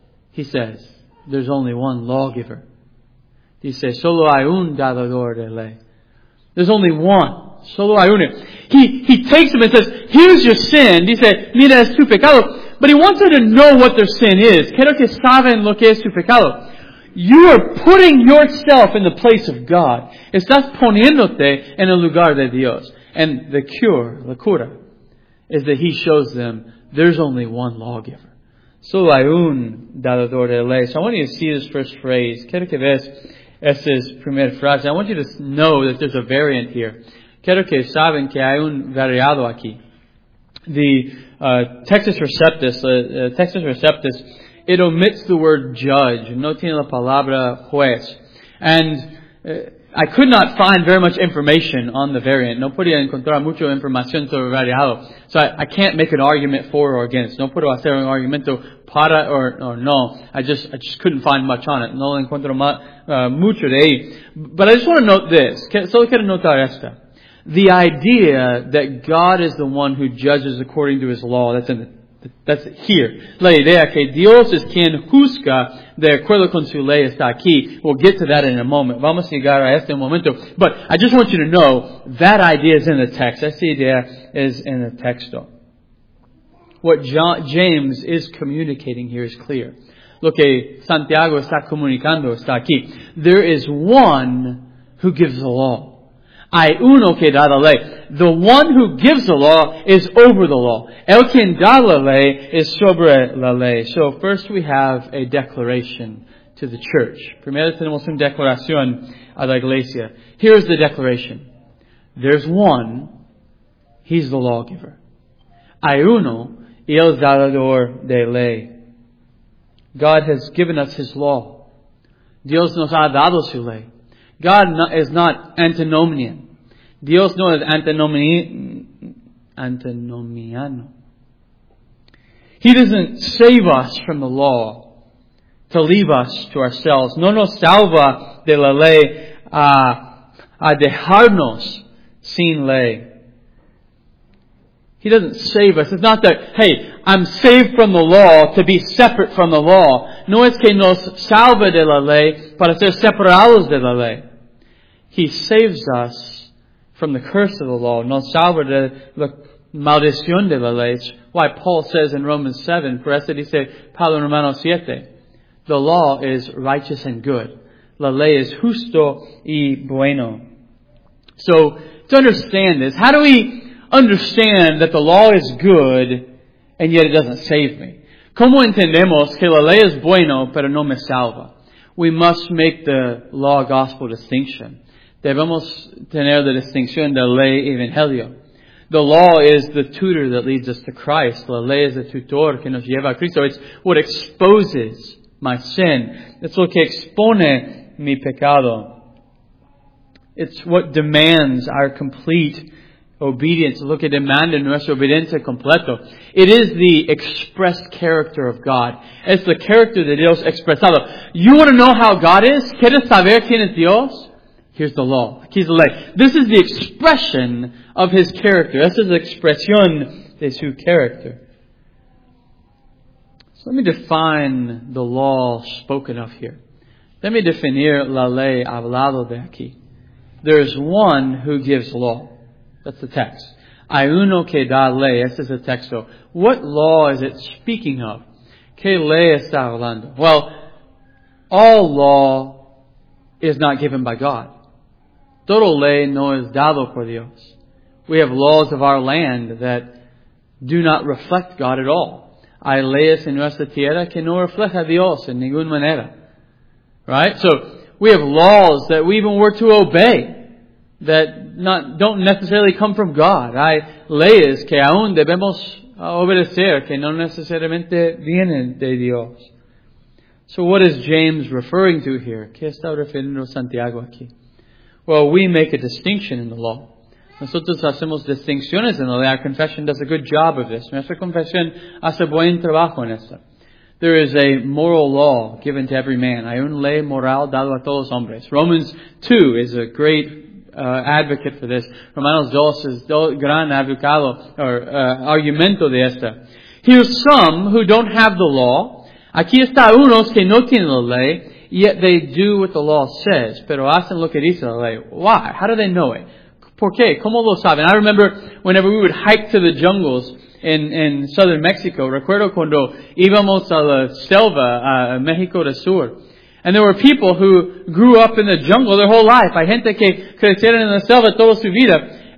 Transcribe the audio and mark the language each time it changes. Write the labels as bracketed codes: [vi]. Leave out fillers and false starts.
[en] He says, there's only one lawgiver. He says, [es] solo hay un dador de ley. [en] There's only one. [es] Solo hay uno. [en] He takes them and says, here's your sin. He says, [es] mira es tu pecado. [en] But he wants them to know what their sin is. [es] Quiero que saben lo que es tu pecado. [en] You are putting yourself in the place of God. [es] Estás poniéndote en el lugar de Dios. [en] And the cure, [es] la cura, [en] is that he shows them there's only one lawgiver. [es] Solo hay un dador de ley. [en] So I want you to see this first phrase. [es] Quiero que veas esa primera frase. [en] I want you to know that there's a variant here. [es] Quiero que saben que hay un variado aquí. [en] The Textus Receptus, It omits the word judge. [es] No tiene la palabra juez. [en] And I could not find very much information on the variant. [es] No podía encontrar mucha información sobre variado. [en] So I can't make an argument for or against. [es] No puedo hacer un argumento para [en] or [es] no. [en] I just couldn't find much on it. [es] No encuentro mucho de ahí. [en] But I just want to note this. [es] Solo quiero notar esta. [en] The idea that God is the one who judges according to His law, that's here. [es] La idea que Dios es quien juzga de acuerdo con su ley está aquí. [en] We'll get to that in a moment. [es] Vamos a llegar a este momento. [en] But I just want you to know that idea is in the text. [es] Esa idea [en] is in the [es] texto. [en] What James is communicating here is clear. [es] Lo que Santiago está comunicando está aquí. [en] There is one who gives the law. [es] Hay uno que da la ley. [en] The one who gives the law is over the law. [es] El quien da la ley [en] is [es] sobre la ley. [en] So first we have a declaration to the church. [es] Primero tenemos una declaración a la iglesia. [en] Here's the declaration. There's one. He's the lawgiver. [es] Hay uno y el dador de ley. [en] God has given us His law. [es] Dios nos ha dado su ley. [en] God is not antinomian. [es] Dios no es antinomiano. [en] He doesn't save us from the law to leave us to ourselves. [es] No nos salva de la ley a dejarnos sin ley. [en] He doesn't save us. It's not that, hey, I'm saved from the law to be separate from the law. [es] No es que nos salva de la ley para ser separados de la ley. [en] He saves us from the curse of the law. [es] Nos salva de la maldición de la ley. [en] It's why Paul says in Romans 7, [es] por eso dice Pablo en Romanos 7, [en] the law is righteous and good. [es] La ley es justo y bueno. [en] So, to understand this, how do we understand that the law is good and yet it doesn't save me? [es] ¿Cómo entendemos que la ley es bueno pero no me salva? [en] We must make the law-gospel distinction. [es] Debemos tener la distinción de ley y evangelio. [en] The law is the tutor that leads us to Christ. [es] La ley es el tutor que nos lleva a Cristo. [en] It's what exposes my sin. It's [es] lo que expone mi pecado. [en] It's what demands our complete obedience. [es] Lo que demanda nuestra obediencia completo. [en] It is the expressed character of God. [es] Es el carácter de Dios expresado. [en] You want to know how God is? [es] ¿Quieres saber quién es Dios? [en] Here's the law. Here's the [es] ley. [en] This is the expression of His character. This is the [es] expresión de su [en] character. So let me define the law spoken of here. Let me [es] definir la ley hablado de aquí. [en] There is one who gives law. That's the text. [es] Hay uno que da ley. Ese es el texto. [en] What law is it speaking of? [es] ¿Qué ley está hablando? [en] Well, all law is not given by God. [es] Todo ley no es dado por Dios. [en] We have laws of our land that do not reflect God at all. [es] Hay leyes en nuestra tierra que no refleja a Dios en ninguna manera. [en] Right? So, we have laws that we even were to obey that don't necessarily come from God. [es] Hay leyes que aún debemos obedecer que no necesariamente vienen de Dios. [en] So, what is James referring to here? [es] ¿Qué está refiriendo Santiago aquí? [en] Well, we make a distinction in the law. [es] Nosotros hacemos distinciones en la ley. [en] Our confession does a good job of this. [es] Nuestra confesión hace buen trabajo en esto. [en] There is a moral law given to every man. [es] Hay una ley moral dado a todos los hombres. [en] Romans 2 is a great advocate for this. [es] Romanos 2 es gran advocado [en] or [es] argumento de esta. [en] Here's some who don't have the law. [es] Aquí está unos que no tienen la ley. [en] Yet they do what the law says. [es] Pero hacen lo que dice la ley. [en] Why? How do they know it? [es] ¿Por qué? ¿Cómo lo saben? [en] I remember whenever we would hike to the jungles in southern Mexico. [es] Recuerdo cuando íbamos a la selva, a México del Sur. [en] And there were people who grew up in the jungle their whole life. [es] Hay gente que crecieron en la selva toda su vida.